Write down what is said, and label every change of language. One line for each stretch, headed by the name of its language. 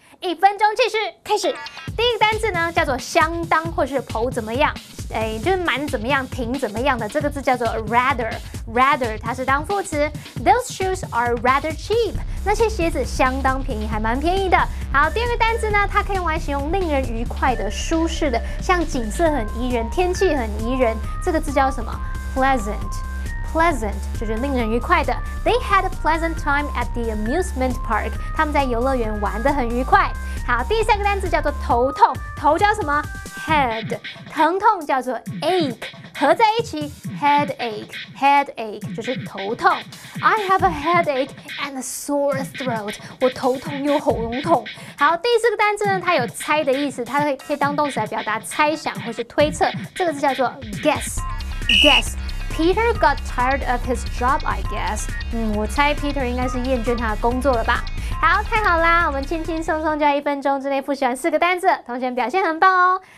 Chinese: 一分钟计时开始。第一个单字呢，叫做相当或是颇怎么样，哎，就是蛮怎么样，挺怎么样的。这个字叫做 rather。
English: Rather
Chinese: 它是当副词。
English: Those shoes are rather cheap。
Chinese: 那些鞋子相当便宜，还蛮便宜的。好，第二个单字呢，它可以用来形容令人愉快的、舒适的，像景色很宜人，天气很宜人。这个字叫什么？Pleasant 就是令人愉快的。
English: They had a pleasant time at the amusement park.
Chinese: 他们在游乐园玩得很愉快。好，第三个单字叫做头痛，头叫什么？ Head。 疼痛叫做 ache， 合在一起 headache 就是头痛。
English: I have a headache and a sore throat.
Chinese: 我头痛又喉咙痛。好，第四个单字呢，它有猜的意思，它可以当动词来表达猜想或是推测。这个字叫做
English: guess。Peter got tired of his job, I guess.
Chinese: 我猜 Peter 应该是厌倦他的工作了吧。好，太好啦，我们轻轻松松就在一分钟之内复习完四个单字，同学们表现很棒哦。